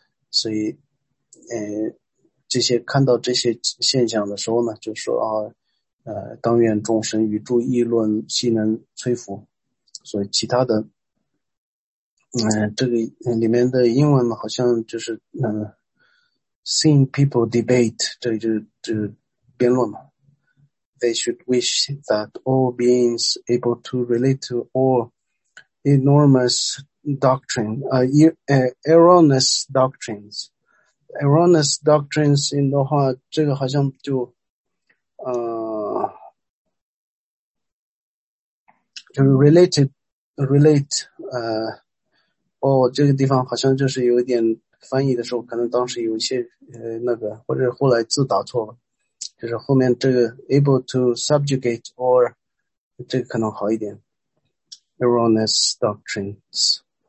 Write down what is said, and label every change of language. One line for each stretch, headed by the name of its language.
Chinese: 所以，这些看到这些现象的时候呢，就说啊，当愿众生于诸议论悉能摧伏。所以其他的。这个里面的英文好像就是
English: seeing people debate,
Chinese: 这个就是辩论嘛。
English: They should wish that all beings able to relate to all enormous doctrine, erroneous doctrines. Erroneous doctrines in
Chinese: 的话，这个好像就就
English: related, relate,
Chinese: 哦，这个地方好像就是有点翻译的时候，可能当时有一些那个，或者后来字打错了，就是后面这个
English: able to subjugate or
Chinese: 这个可能好一点。
English: erroneous doctrines。